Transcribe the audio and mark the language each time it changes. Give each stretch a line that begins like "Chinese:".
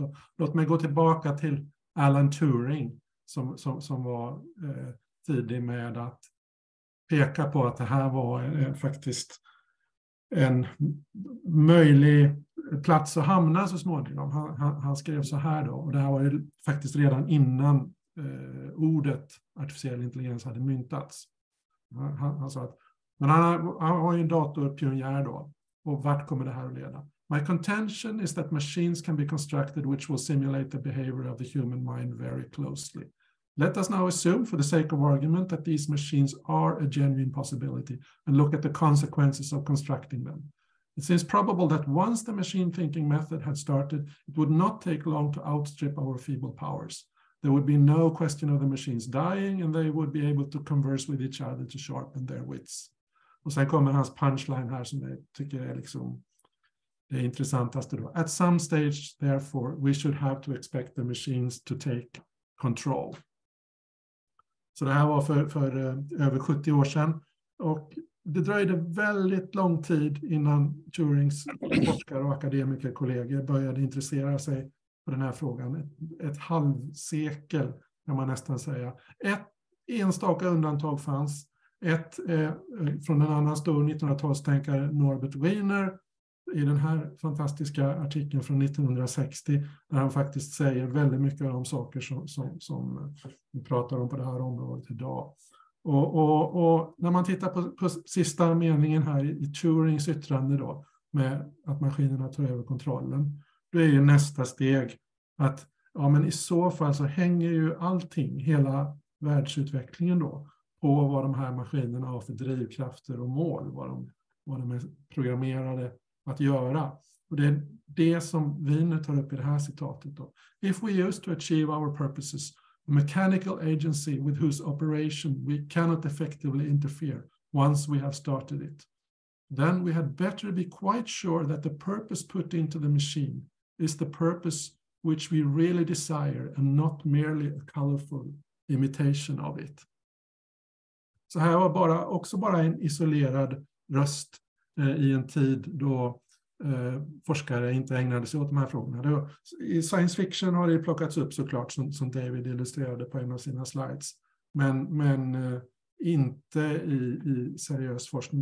Swedish: Och låt mig gå tillbaka till Alan Turing som var tidig med att peka på att det här var faktiskt en möjlig plats att hamna så småningom. Han skrev så här då, och det här var ju faktiskt redan innan ordet artificiell intelligens hade myntats. Han sa att, men han var ju en datorpionjär då, och vart kommer det här att leda?
English: My contention is that machines can be constructed which will simulate the behavior of the human mind very closely. Let us now assume, for the sake of argument, that these machines are a genuine possibility and look at the consequences of constructing them. It seems probable that once the machine thinking method had started, it would not take long to outstrip our feeble powers. There would be no question of the machines dying, and they would be able to converse with each other to sharpen their wits.
Swedish: Och sen kommer hans punchline här som jag tycker är liksom det intressantaste då.
English: At some stage, therefore, we should have to expect the machines to take control.
Swedish: Så det här var för över 70 år sedan. Och det dröjde väldigt lång tid innan Turings forskare och akademiker kollegor började intressera sig för den här frågan. Ett halvsekel kan man nästan säga. Ett enstaka undantag fanns. Ett från en annan stor 1900-talstänkare, Norbert Wiener, i den här fantastiska artikeln från 1960, där han faktiskt säger väldigt mycket av de saker som vi pratar om på det här området idag. Och när man tittar på sista meningen här i Turings yttrande då, med att maskinerna tar över kontrollen, då är ju nästa steg att ja, men i så fall så hänger ju allting, hela världsutvecklingen då, på vad de här maskinerna har för drivkrafter och mål, vad de är programmerade att göra. Och det är det som vi nu tar upp i det här citatet då.
English: If we use to achieve our purposes a mechanical agency with whose operation we cannot effectively interfere once we have started it, then we had better be quite sure that the purpose put into the machine is the purpose which we really desire and not merely a colorful imitation of it.
Swedish: Så här var bara också bara en isolerad röst i en tid då forskare inte ägnade sig åt de här frågorna. Det var, i science fiction har det plockats upp såklart som David illustrerade på en av sina slides. Men inte i seriös forskning.